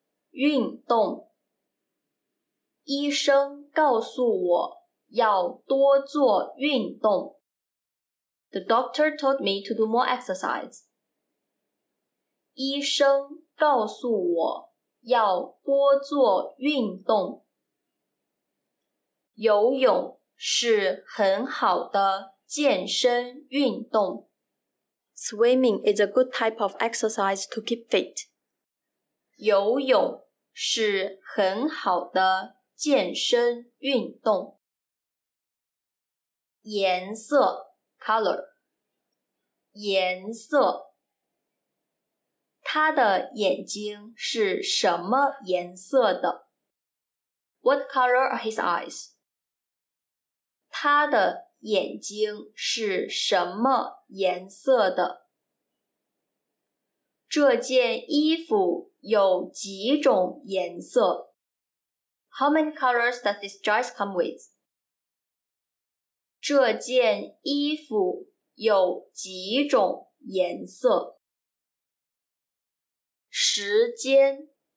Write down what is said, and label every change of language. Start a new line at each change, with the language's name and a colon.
Chinese: 运动医生告诉我要多做运动。
English: The doctor told me to do more exercise.
Chinese: 医生告诉我要多做运动。游泳是很好的健身运动。
English: Swimming is a good type of exercise to keep fit.
Chinese: 游泳是很好的健身运动。颜色
English: color
Chinese: 颜色他的眼睛是什么颜色的
English: What color are his eyes?
Chinese: 他的眼睛是什么颜色的这件衣服有几种颜色
English: How many colors does this dress come with?
Chinese: 这件衣服有几种颜色时间